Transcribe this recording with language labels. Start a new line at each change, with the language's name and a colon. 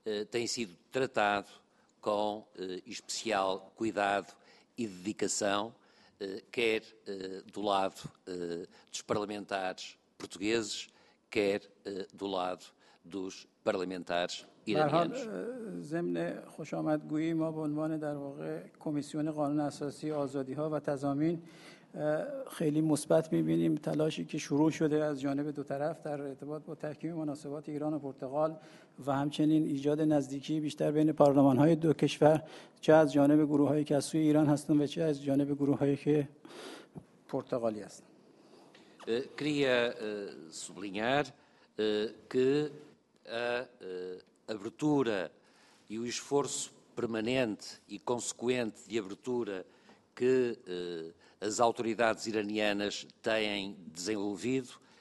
Portuguese: tem sido tratado com especial cuidado e dedicação, quer do lado dos parlamentares portugueses, quer do lado dos parlamentares iranianos.
Persian: ضمن خوشامدگویی ما به عنوان در واقع کمیسیون قانون اساسی آزادی‌ها و تضامین خیلی مثبت می‌بینیم تلاشی که شروع شده از جانب دو طرف در ارتباط با تحکیم مناسبات ایران و پرتغال و همچنین ایجاد نزدیکی بیشتر بین پارلمان‌های دو کشور چه از جانب گروه‌هایی که از سوی ایران هستند و چه از جانب گروه‌هایی که پرتغالی هستند.
Portuguese: Queria sublinhar que a abertura e o esforço permanente e consequente de abertura que as autoridades iranianas têm desenvolvido